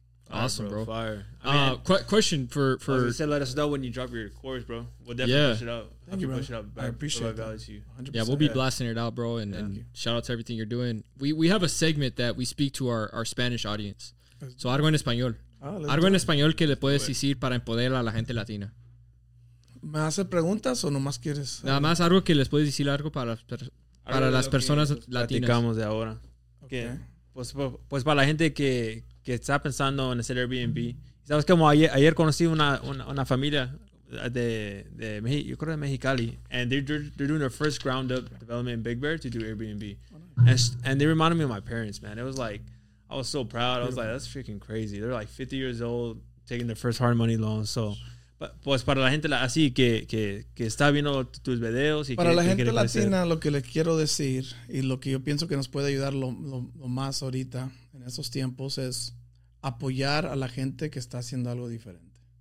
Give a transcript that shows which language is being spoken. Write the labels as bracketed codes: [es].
[en] Awesome, bro. Fire. Question for as I said, let us know when you drop your course, bro. We'll definitely push it out. Thank you, push it out. I appreciate it. Value to you. 100%. Yeah, we'll be blasting it out, bro. And shout out to everything you're doing. We have a segment that we speak to our Spanish audience. [es] So algo en español. Algo en español que le puedes decir para empoderar a la gente latina. ¿Me haces preguntas o nomás quieres? Nada más algo que les puedes decir algo para las personas latinas. Platicamos de ahora. Okay. Pues para la gente que está pensando en hacer Airbnb. [en] Sabes como ayer conocí una familia de México, yo creo de Mexicali, and they're doing their first ground up development in Big Bear to do Airbnb. And they reminded me of my parents, man. It was like, I was so proud. I was like, that's freaking crazy. They're like 50 years old taking their first hard money loan. [es] So, pues para la gente así que está viendo tus videos y para la gente latina, lo que les quiero decir y lo que yo pienso que nos puede ayudar lo más ahorita en esos tiempos es apoyar a la gente que está haciendo algo diferente.